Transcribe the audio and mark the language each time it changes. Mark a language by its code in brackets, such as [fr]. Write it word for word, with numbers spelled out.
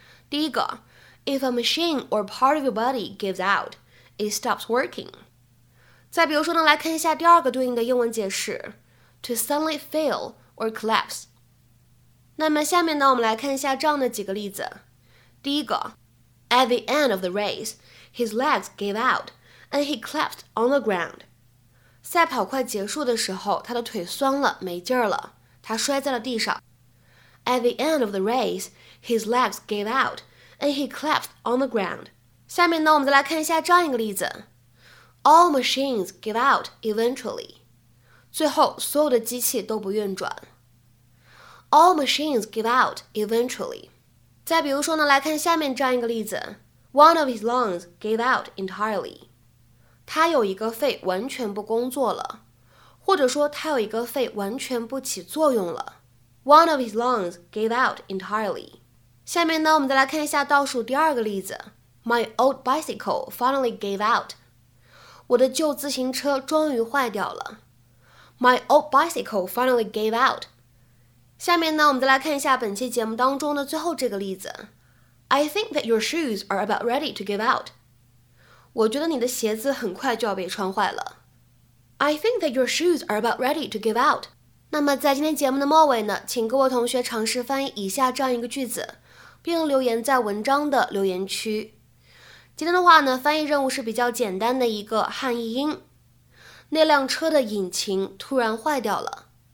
[zh] 第一个 [en] ，If a machine or part of your body gives out, it stops working。 [zh] 再比如说呢，来看一下第二个对应的英文解释 [en] to suddenly fail or collapse。 [zh] 那么下面呢，我们来看一下这样的几个例子。第一个 [en] At the end of the race, his legs gave out and he collapsed on the ground。 [zh] 赛跑快结束的时候，他的腿酸了，没劲儿了，他摔在了地上。 [en] At the end of the race, his legs gave out and he collapsed on the ground。 [zh] 下面呢，我们再来看一下这样一个例子。 [en] All machines give out eventually. [zh] 最后所有的机器都不运转。 [en] All machines give out eventually. [zh] 再比如说呢，来看下面这样一个例子。 [en] One of his lungs gave out entirely. [zh] 他有一个肺完全不工作了，或者说他有一个肺完全不起作用了。 [en] One of his lungs gave out entirely. [zh] 下面呢，我们再来看一下倒数第二个例子。 [en] My old bicycle finally gave out. [zh] 我的旧自行车终于坏掉了。 [en] My old bicycle finally gave out. [zh] 下面呢，我们再来看一下本期节目当中的最后这个例子。 [en] I think that your shoes are about ready to give out. [zh] 我觉得你的鞋子很快就要被穿坏了。 [en] I think that your shoes are about ready to give out. [zh] 那么在今天节目的末尾呢，请各位同学尝试翻译以下这样一个句子，并留言在文章的留言区。今天的话呢，翻译任务是比较简单的一个汉译音。那辆车的引擎突然坏掉了。